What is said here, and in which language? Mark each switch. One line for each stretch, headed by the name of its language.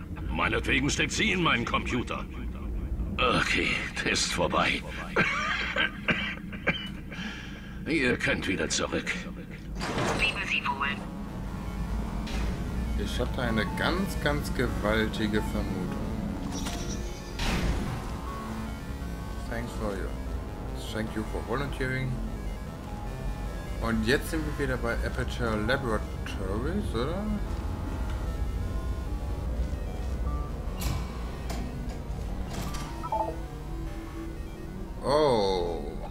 German: Meinetwegen steckt sie in meinen Computer. Okay, Test vorbei. Ihr könnt wieder zurück. Leben Sie wohl. Ich hatte eine ganz, ganz gewaltige Vermutung.
English: Thank you for volunteering.
German: Und jetzt sind wir wieder bei Aperture Laboratories, oder? Oh.